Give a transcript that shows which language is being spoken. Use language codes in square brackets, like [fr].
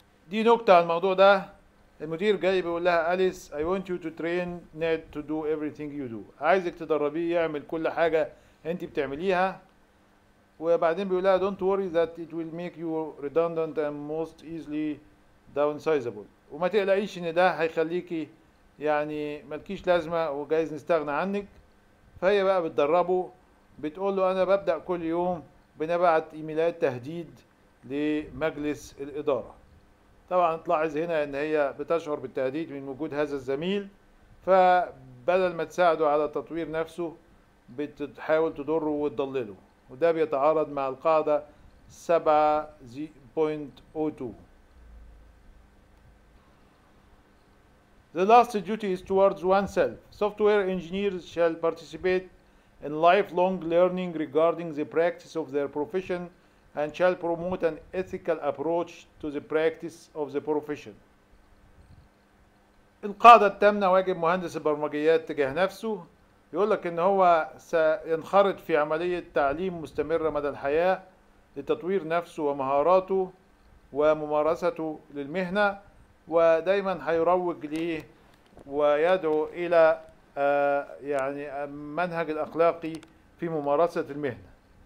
[ar] دي نقطة على الموضوع ده. المدير جاي بيقول لها أليس [en] I want you to train Ned to do everything you do. [ar] عايزك تدربيه يعمل كل حاجة أنت بتعمليها. وبعدين بيقول لها [en] Don't worry that it will make you redundant and most easily downsizable. [ar] وما تقلقيش إن ده هيخليكي يعني مالكيش لازمة وجايز نستغنى عنك. فهي بقى بتدربه، بتقول له أنا ببدأ كل يوم بنبعت إيميلات تهديد لمجلس الإدارة. طبعا تلاحظ هنا ان هي بتشعر بالتهديد من وجود هذا الزميل، فبدل ما تساعده على تطوير نفسه بتحاول تضره وتضلله، وده بيتعارض مع القاعدة 7.02. [en] The last duty is towards oneself. Software engineers shall participate in lifelong learning regarding the practice of their profession and shall promote an ethical approach to the practice of the profession. [ar] القاعدة الثامنة، واجب مهندس البرمجيات تجاه نفسه، يقول لك ان هو سينخرط في عملية تعليم مستمرة مدى الحياة لتطوير نفسه ومهاراته وممارسته للمهنة، ودايما هيروج ليه ويدعو الى يعني المنهج الاخلاقي في ممارسة المهنة.